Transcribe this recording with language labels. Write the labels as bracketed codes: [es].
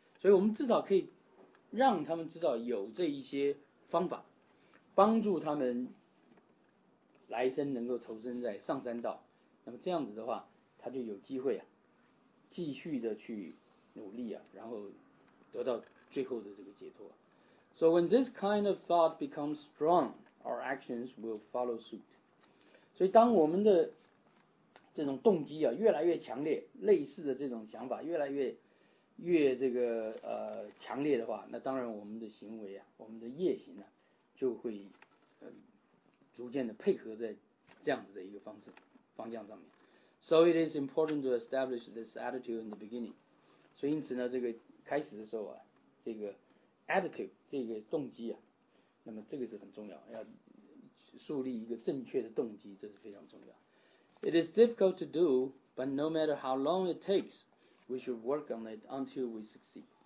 [zh] 所以我们至少可以让他们知道有这一些方法，帮助他们来生能够投身在上三道。那么这样子的话，他就有机会继续的去努力然后得到最后的这个解脱。 [en] So when this kind of thought becomes strong, our actions will follow suit. [zh] 所以当我们的这种动机越来越强烈，类似的这种想法越来越这个强烈的话，那当然我们的行为我们的业行就会逐渐的配合在这样子的一个方向上面。 [en] So it is important to establish this attitude in the beginning. [zh] 所以因此呢，这个开始的时候这个attitude 这个动机那么这个是很重要，要树立一个正确的动机，这是非常重要。 [en] It is difficult to do, but no matter how long it takes, we should work on it until we succeed.